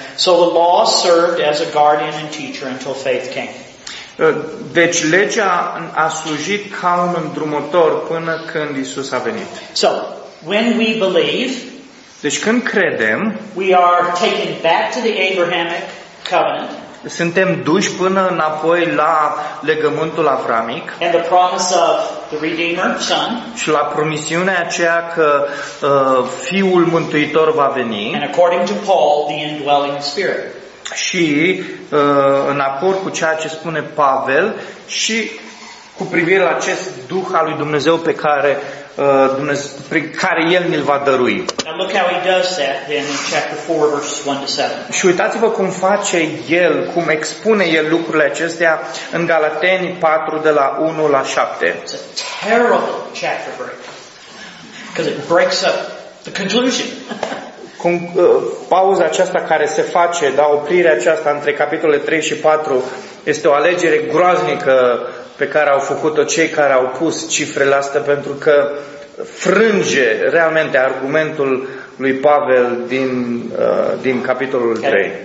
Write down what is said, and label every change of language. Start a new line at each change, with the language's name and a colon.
English: So the law served as a guardian and teacher until faith came.
Romanian: Deci legea a slujit ca un îndrumător până când Isus a venit.
English: So, when we believe,
Romanian: deci când credem,
English: we are taken back to the Abrahamic covenant.
Romanian: Suntem duși până înapoi la legământul avramic.
English: And the promise of the Redeemer, Son.
Romanian: Și la promisiunea aceea că Fiul Mântuitor va veni.
English: And according to Paul, the indwelling spirit.
Romanian: Și în acord cu ceea ce spune Pavel și cu privire la acest Duh al lui Dumnezeu pe care Dumnezeu, prin care El ne-l va dărui.
English: Now look how he does that then in chapter 4 verses 1 to 7.
Romanian: Și uitați-vă cum face El, cum expune El lucrurile acestea în Galateni 4 de la 1 la 7.
English: It's a terrible chapter break. Because it breaks up the conclusion.
Romanian: Cum pauza aceasta care se face, da, oprirea aceasta între capitolele 3 și 4 este o alegere groaznică pe care au făcut-o cei care au pus cifrele astea, pentru că frânge realmente argumentul lui Pavel din, din capitolul 3.